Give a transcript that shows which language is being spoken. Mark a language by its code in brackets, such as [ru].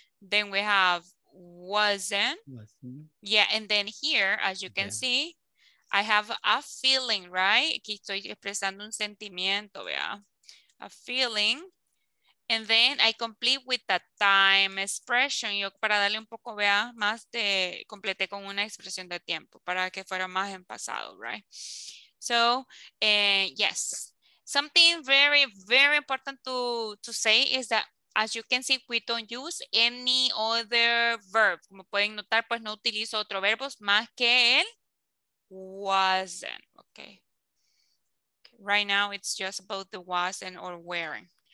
[en] Then we have wasn't. Yeah, and then here, as you can see, I have a feeling, right? [es] Aquí estoy expresando un sentimiento, vea. [en] A feeling. And then I complete with the time expression. [es] Yo para darle un poco, vea, más de, completé con una expresión de tiempo para que fuera más en pasado, right? [en] So, yes, something very, very important to say is that, as you can see, we don't use any other verb. [es] Como pueden notar, pues no utilizo otro verbo más que el wasn't, okay. [en] Right now, it's just about the wasn't or wearing.